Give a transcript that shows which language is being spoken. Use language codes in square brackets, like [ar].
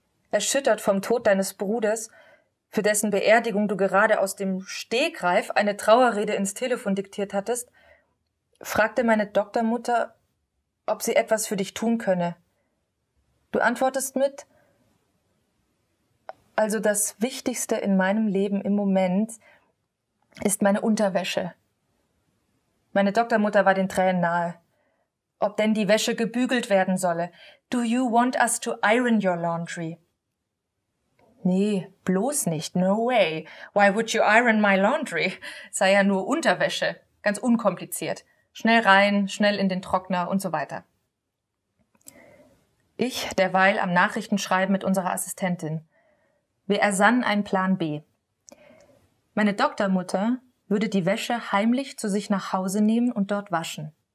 [de] Erschüttert vom Tod deines Bruders, für dessen Beerdigung du gerade aus dem Stegreif eine Trauerrede ins Telefon diktiert hattest, fragte meine Doktormutter, ob sie etwas für dich tun könne. Du antwortest mit: Also das Wichtigste in meinem Leben im Moment ist meine Unterwäsche. Meine Doktormutter war den Tränen nahe. Ob denn die Wäsche gebügelt werden solle? [en] Do you want us to iron your laundry? [de] Nee, bloß nicht. [en] No way. Why would you iron my laundry? [de] Sei ja nur Unterwäsche. Ganz unkompliziert. Schnell rein, schnell in den Trockner und so weiter. Ich derweil am Nachrichtenschreiben mit unserer Assistentin. Wir ersannen einen Plan B. Meine Doktormutter würde die Wäsche heimlich zu sich nach Hause nehmen und dort waschen.